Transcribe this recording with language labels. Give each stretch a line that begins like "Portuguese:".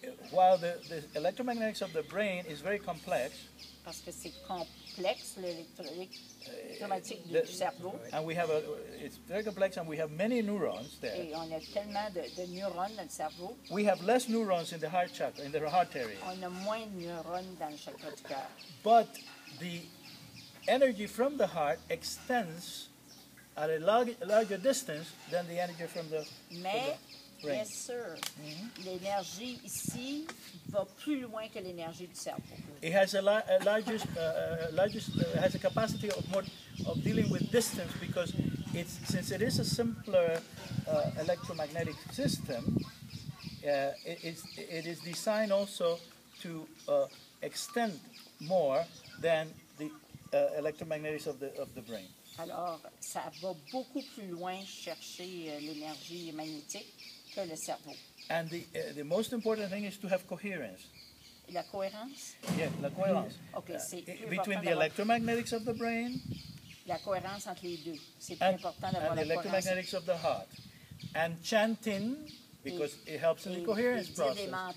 English: While the electromagnetics of the brain is very complex,
French: parce que c'est complexe, l'électromagnétique du cerveau.
English: And we have it's very complex and we have many neurons there.
French: Et on a tellement de neurones dans le cerveau.
English: We have less neurons in the heart chakra, in the heart area.
French: On a moins de neurones dans le chakra du cœur.
English: But the energy from the heart extends at a larger distance than the energy from the
French: Mais,
English: from the
French: bien sûr, l'énergie ici va plus loin que l'énergie du cerveau.
English: It has a capacity of dealing with distance because it's since it is a simpler electromagnetic system. It is designed also to extend more than the electromagnetics of the brain.
French: Alors, ça va beaucoup plus loin chercher l'énergie magnétique que le cerveau.
English: And the most important thing is to have coherence.
French: La cohérence? Yeah, la cohérence. Okay, c'est
English: between the electromagnetics of the brain.
French: La cohérence entre les deux. C'est plus important d'avoir
English: la cohérence. Electromagnetics of the heart. And chanting, because it helps in the coherence process.